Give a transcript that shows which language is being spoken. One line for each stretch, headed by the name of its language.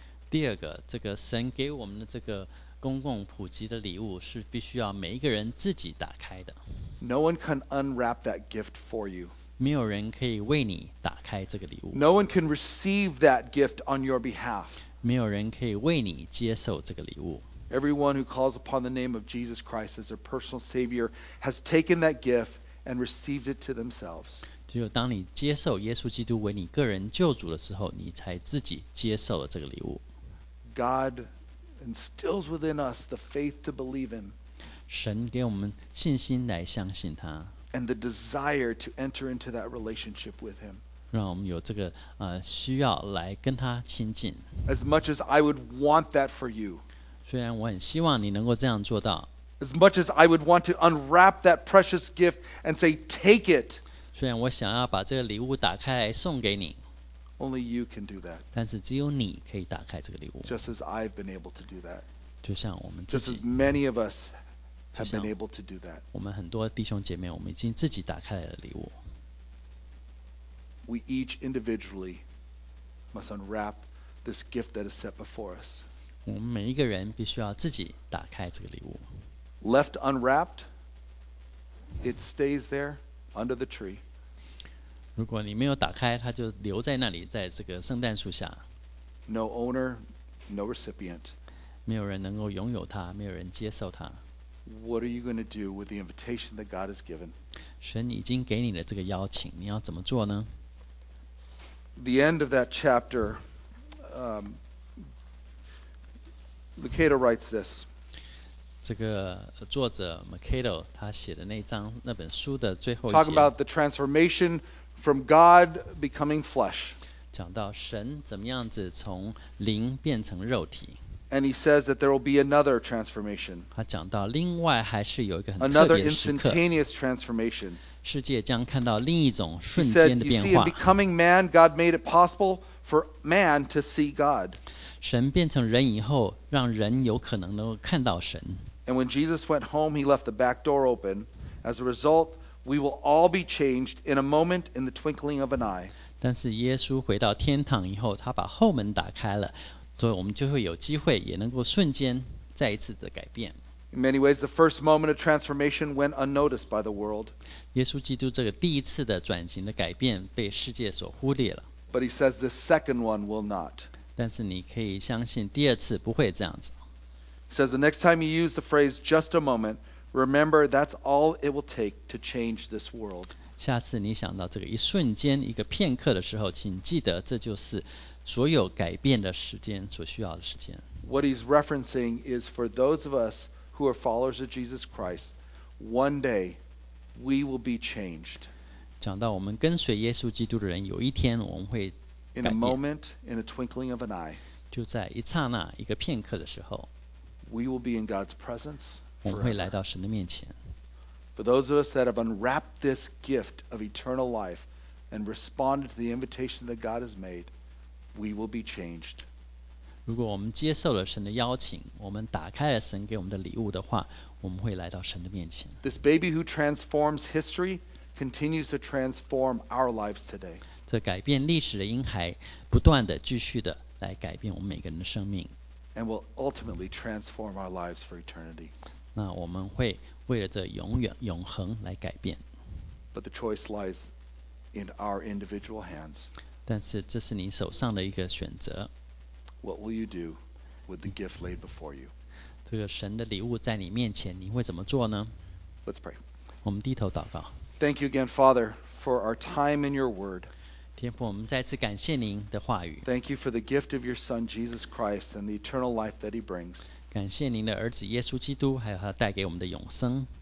Chinese: 第二个，这个神给我们的这个公共普及的礼物是必须要每一个人自己打开的。
English: No one can unwrap that gift for you.
Chinese: 没有人可以为你打开这个礼物。
English: No one can receive that gift on your behalf.
Chinese: 没有人可以为你接受这个礼物。
English: Everyone who calls upon the name of Jesus Christ as their personal Savior has taken that gift and received it to themselves.
Chinese: 只有当你接受耶稣基督为你个人救主的时候，你才自己接受了这个礼物。
English: God instills within us the faith to believe Him.
Chinese: 神给我们信心来相信他。
English: And the desire to enter into that relationship with him.
Chinese: 让我们有这个需要来跟他亲近。
English: As much as I would want that for you.
Chinese: 虽然我很希望你能够这样做到。
English: As much as I would want to unwrap that precious gift and say, take it.
Chinese: 虽然我想要把这个礼物打开来送给你。
English: Only you can do that.
Chinese: 但是只有你可以打开这个礼物。
English: Just as I've been able to do that.
Chinese: 就像我们自己。
English: Just as many of us. Have been able to do that.
Chinese: 我们很多弟兄姐妹，我们已经自己打开了礼物。
English: We each individually must unwrap this gift that is set before us.
Chinese: 我们每一个人必须要自己打开这个礼物。
English: Left unwrapped, it stays there under the tree.
Chinese: 如果你没有打开，它就留在那里，在这个圣诞树下。
English: No owner, no recipient.
Chinese: 没有人能够拥有它，没有人接受它。
English: What are you going to do with the invitation that God has given?
Chinese: 神已经给你的这个邀请，你要怎么做呢？
English: The end of that chapter, Lucado writes this.
Chinese: 这个作者 Lucado 他写的那章那本书的最后一节。
English: Talk about the transformation from God becoming flesh.
Chinese: 讲到神怎么样子从灵变成肉体。
English: And he says that there will be another transformation.
Chinese: 他讲到另外还是有一个很特别的时刻。
English: Another instantaneous transformation.
Chinese: 世界将看到另一种瞬间的变化。
English: He said, you see, in becoming man, God made it possible for man to see God.
Chinese: 神变成人以后，让人有可能能够看到神。
English: And when Jesus went home, he left the back door open. As a result, we will all be changed in a moment, in the twinkling of an eye.
Chinese: 但是耶稣回到天堂以后，他把后门打开了。所以我们就会有机会，也能够瞬间再一次的改变。
English: In many ways, the first moment of transformation went unnoticed by the world.
Chinese: 耶稣基督这个第一次的转型的改变被世界所忽略了。
English: But he says the second one will not.
Chinese: 但是你可以相信第二次不会这样子。
English: He says the next time you use the phrase "just a moment," remember that's all it will take to change this world.
Chinese: 下次你想到这个一瞬间、一个片刻的时候，请记得这就是。所有改变的时间所需要的时间。
English: What he's referencing is for those of us who are followers of Jesus Christ, one day we will be changed.
Chinese: 讲到我们跟随耶稣基督的人，有一天我们会改变。
English: In a moment, in a twinkling of an eye.
Chinese: 就在一刹那、一个片刻的时候。
English: We will be in God's presence.
Chinese: 我们会来到神的面前。
English: For those of us that have unwrapped this gift of eternal life and responded to the invitation that God has made. We will be changed.
Chinese: 如果我们接受了神的邀请，我们打开了神给我们的礼物的话，我们会来到神的面前。
English: This baby who transforms history continues to transform our lives today.
Chinese: 这改变历史的婴孩，不断的、继续的来改变我们每个人的生命。
English: And will ultimately transform our lives for eternity.
Chinese: 那我们会为了这永远、永恒来改变。
English: But the choice lies in our individual hands.
Chinese: 但是这是你手上的一个选择。
English: What will you do with the gift laid before you?
Chinese: 这个神的礼物在你面前，你会怎么做呢？
English: Let's pray.
Chinese: 我们低头祷告。
English: Thank you again, Father, for our time in your word.
Chinese: 天父，我们再次感谢您的话语。
English: Thank you for the gift of your Son, Jesus Christ, and the eternal life that he brings.
Chinese: 感谢您的儿子耶稣基督，还有他带给我们的永生。